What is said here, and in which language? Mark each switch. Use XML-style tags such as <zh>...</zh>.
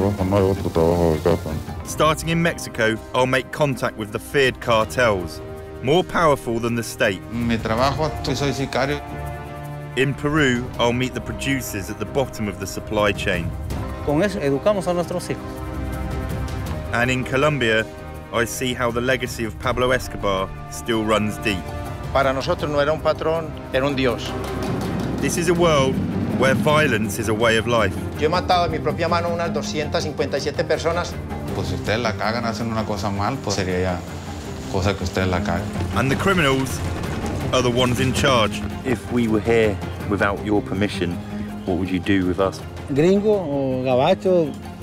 <en>Starting in Mexico, I'll make contact with the feared cartels, more powerful than the state.</en> <es>Mi trabajo, tú soy sicario.</es> <en>In Peru, I'll meet the producers at the bottom of the supply chain.</en> <es>Con eso, educamos a nuestros hijos.</es> <en>And in Colombia, I see how the legacy of Pablo Escobar still runs deep.</en> <es>Para nosotros no era un patrón, era un dios.</es> <en>This is a world where violence is a way of life.</en> <es>Yo he matado a mi propia mano unas 257 personas. Pues si ustedes la cagan, hacen una cosa mal, pues sería ya cosa que ustedes la cagan.</es> <en>And the criminals are the ones in charge. If we were here without your permission, what would you do with us?</en> <es>Gringo o gabacho.</es>